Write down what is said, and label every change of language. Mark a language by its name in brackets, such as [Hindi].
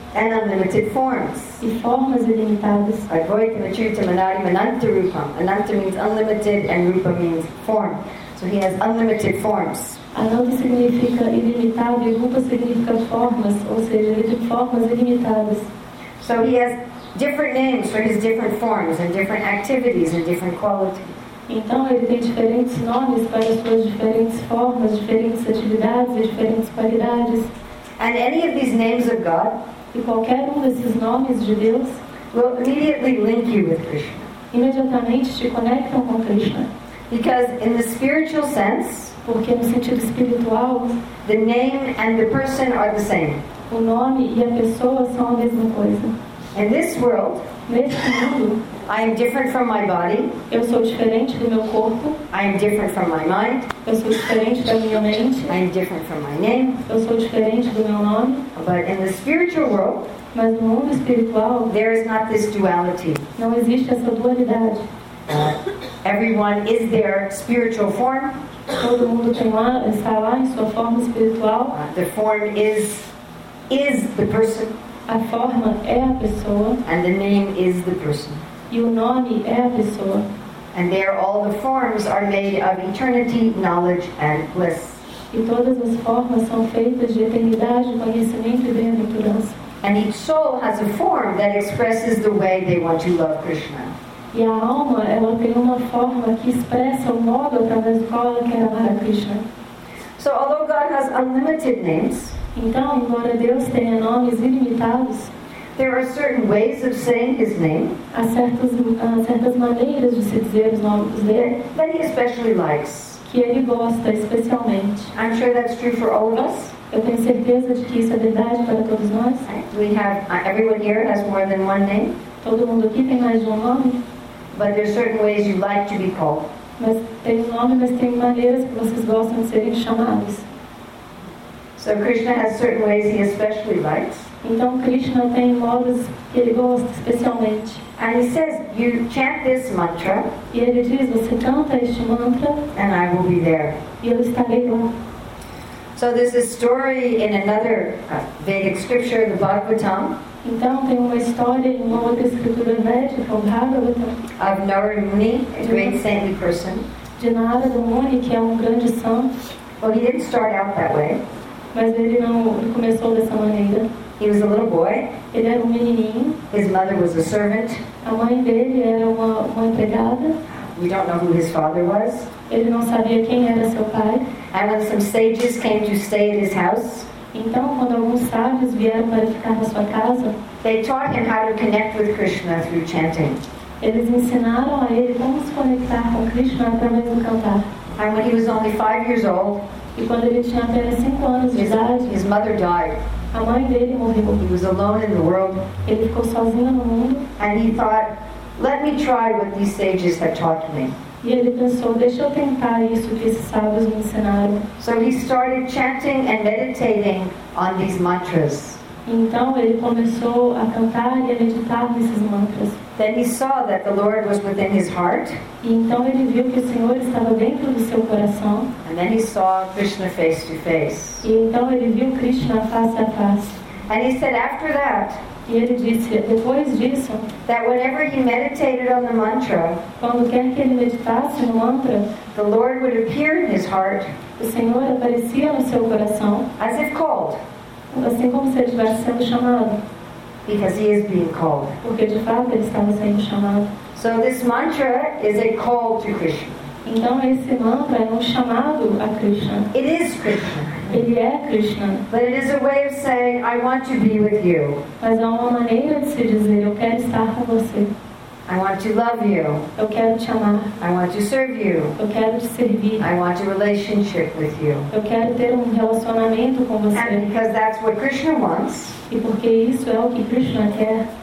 [English] And unlimited forms. [Portuguese] E formas ilimitadas. Advaita Vachirta Manari Mananta Rupam. [English] Ananta means unlimited and Rupa means form. So he has unlimited forms. [Portuguese] Ananta significa ilimitado e Rupa significa formas, ou seja, ele tem formas ilimitadas. [English] So he has different names for his different forms and different activities and different qualities. [Portuguese] Então ele tem diferentes nomes para as suas diferentes formas, diferentes atividades e diferentes qualidades. [English] And any of these names of God, [Portuguese] e qualquer desses nomes de Deus, [English] will immediately link you with Krishna. [Portuguese] Imediatamente te conectam com Krishna. [English] Because in the spiritual sense, [Portuguese] porque no sentido espiritual, [English] the name and the person are the same. [Portuguese] O nome e a pessoa são a mesma coisa. [English] In this world, [Portuguese] neste mundo, [English] I am different from my body. [Portuguese] Eu sou diferente do meu corpo. [English] I am different from my mind. [Portuguese] Eu sou diferente da minha mente. [English] I am different from my name. [Portuguese] Eu sou diferente do meu nome. [English] But in the spiritual world, [Portuguese] mas no mundo espiritual, [English] there is not this duality. [Portuguese] Não existe essa dualidade. [English] Everyone is their spiritual form. [Portuguese] Todo mundo tem lá, está lá em sua forma espiritual. [English] The form is the person. [Portuguese] A forma é a pessoa. [English] And the name is the person. [Portuguese] E o nome é a pessoa. [English] And there all the forms are made of eternity, knowledge and bliss. [Portuguese] E todas as formas são feitas de eternidade, conhecimento e bem-aventurança. [English] And each soul has a form that expresses the way they want to love Krishna. [Portuguese] E a alma, ela tem uma forma que expressa o modo através do qual ela quer amar a Krishna. [English] So although God has unlimited names, [Portuguese] então, embora Deus tenha nomes ilimitados, [English] there are certain ways of saying his name. [Portuguese] Há certas maneiras de se dizer os nomes dele. [English] That he especially likes. [Portuguese] Que ele gosta especialmente. [English] I'm sure that's true for all of us. [Portuguese] Eu tenho certeza de que isso é verdade para todos nós. [English] We have everyone here has more than one name. [Portuguese] Todo mundo aqui tem mais de um nome. [English] But there are certain ways you like to be called. [Portuguese] Mas tem nomes, mas tem maneiras que vocês gostam de serem chamados. [English] So Krishna has certain ways he especially likes. [Portuguese] Então Krishna tem modos que ele gosta especialmente. [English] And he says, you chant this mantra. [Portuguese] E ele diz, você canta este mantra. [English] And I will be there. [Portuguese] E eu estarei lá. [English] So there's a story in another Vedic scripture, the Bhagavatam. [Portuguese] Então tem uma história em uma outra escritura védica, o Bhagavatam. [English] Of Narada Muni, a great saintly person. [Portuguese] De Narada Muni, que é um grande santo. [English] Well, he didn't start out that way. [Portuguese] Mas ele não começou dessa maneira. [English] He was a little boy. [Portuguese] Ele era um menininho. [English] His mother was a servant. [Portuguese] A mãe dele era uma empregada. [English] We don't know who his father was. [Portuguese] Ele não sabia quem era seu pai. [English] And when some sages came to stay at his house, [Portuguese] então, quando alguns sábios vieram para ficar na sua casa, [English] they taught him how to connect with Krishna through chanting. [Portuguese] Eles ensinaram a ele como se conectar com Krishna através do cantar. [English] And when he was only 5 years old, [Portuguese] e quando ele tinha apenas 5 anos de idade, [English] his mother died. [Portuguese] A mãe dele morreu. [English] He was alone in the world. [Portuguese] Ele ficou sozinho no mundo. [English] And he thought, let me try what these sages have taught me. [Portuguese] E ele pensou, deixa eu tentar isso que esses sábios me ensinaram. [English] So he started chanting and meditating on these mantras. [Portuguese] Então ele começou a cantar e a meditar nesses mantras. [English] Then he saw that the Lord was within his heart. [Portuguese] E então ele viu que o Senhor estava dentro do seu coração. [English] And then he saw Krishna face to face. [Portuguese] E então ele viu Krishna face a face. [English] And he said after that, [Portuguese] e ele disse, depois disso, [English] that whenever he meditated on the mantra, [Portuguese] quando quer que ele meditasse no mantra, [English] the Lord would appear in his heart, [Portuguese] o Senhor aparecia no seu coração, [English] as if called, [Portuguese] assim como se ele estivesse sendo chamado. [English] Because he is being called. [Portuguese] Porque de fato ele estava sendo chamado. [English] So this mantra is a call to Krishna. [Portuguese] Então esse mantra é um chamado a Krishna. [English] It is Krishna. [Portuguese] Ele é Krishna. [English] But it is a way of saying, I want to be with you. [Portuguese] Mas é uma maneira de se dizer, eu quero estar com você. [English] I want to love you. [Portuguese] Eu quero te amar. [English] I want to serve you. [Portuguese] Eu quero te servir. [English] I want a relationship with you. [Portuguese] Eu quero ter um relacionamento com você. [English] And because that's what Krishna wants. [Portuguese] E porque isso é o que Krishna quer.